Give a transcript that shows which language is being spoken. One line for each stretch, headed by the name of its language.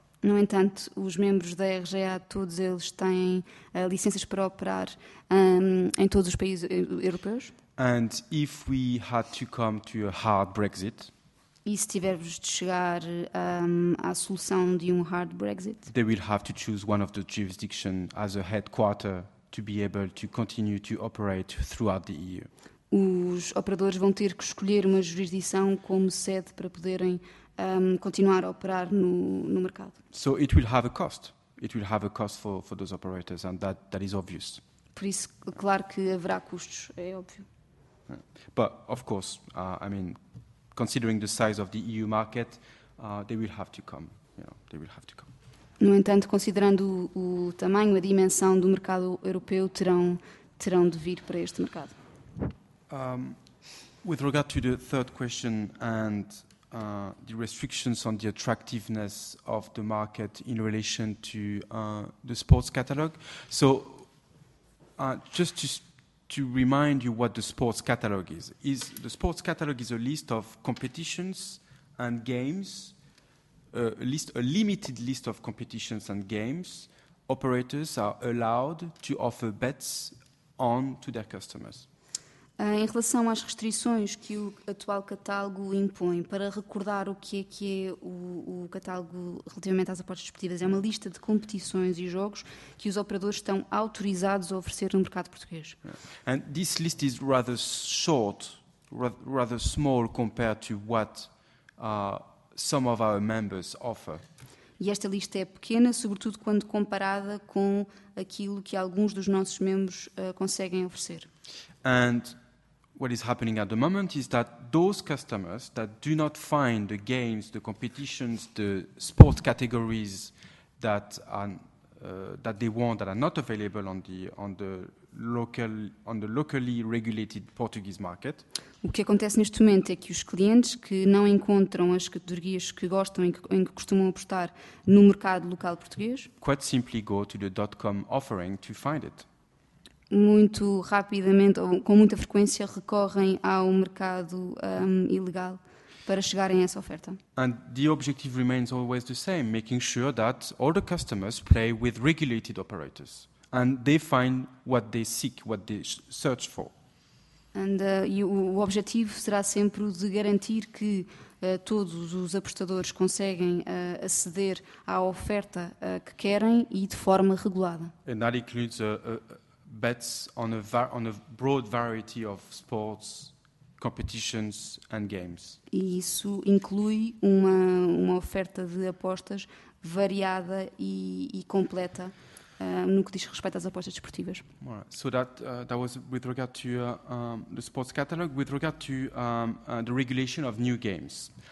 Portuguese: No entanto, os membros da RGA, todos eles têm licenças para operar em todos os países europeus.
English: And if we had to come to a hard Brexit,
Portuguese: e se tivermos de chegar à solução de um hard Brexit,
English: they will have to choose one of the jurisdictions as a headquarter to be able to continue to operate throughout the EU.
Portuguese: Os operadores vão ter que escolher uma jurisdição como sede para poderem continuar a operar no mercado.
English: So it will have a cost. It will have a cost for those operators, and that is obvious.
Portuguese: Por isso, claro que haverá custos, é óbvio.
English: But of course, considering the size of the EU market, they will have to come. You know, they will have to come.
Portuguese: No entanto, considerando o tamanho, a dimensão do mercado europeu, terão de vir para este mercado.
English: With regard to the third question and the restrictions on the attractiveness of the market in relation to the sports catalogue. So, just to remind you what the sports catalogue is the sports catalogue is a list of competitions and games, a limited list of competitions and games operators are allowed to offer bets on to their customers.
Portuguese: Em relação às restrições que o atual catálogo impõe, para recordar o que é o catálogo relativamente às apostas desportivas, é uma lista de competições e jogos que os operadores estão autorizados a oferecer no mercado português.
English: And this list is rather short, rather small compared to what some of our members offer.
Portuguese: E esta lista é pequena, sobretudo quando comparada com aquilo que alguns dos nossos membros conseguem oferecer.
English: And what is happening at the moment is that those customers that do not find the games, the competitions, the sport categories that that they want that are not available on the locally regulated Portuguese market.
Portuguese: O que acontece neste momento é que os clientes que não encontram as categorias que gostam em que costumam apostar no mercado local português,
English: quite simply go to the .com offering to find it.
Portuguese: Muito rapidamente, ou com muita frequência, recorrem ao mercado ilegal para chegarem a essa oferta.
English: And the objective remains always the same, making sure that all the customers play with regulated operators and they find what they seek, what they search for.
Portuguese: And, e o objetivo será sempre o de garantir que todos os apostadores conseguem aceder à oferta que querem e de forma regulada.
English: And that includes bets on a broad variety of sports, competitions and games.
Portuguese: E isso inclui uma oferta de apostas variada e completa no que diz respeito às apostas desportivas.
English: Right. So that was with regard to the sports catalog, with regard to the regulation of new games.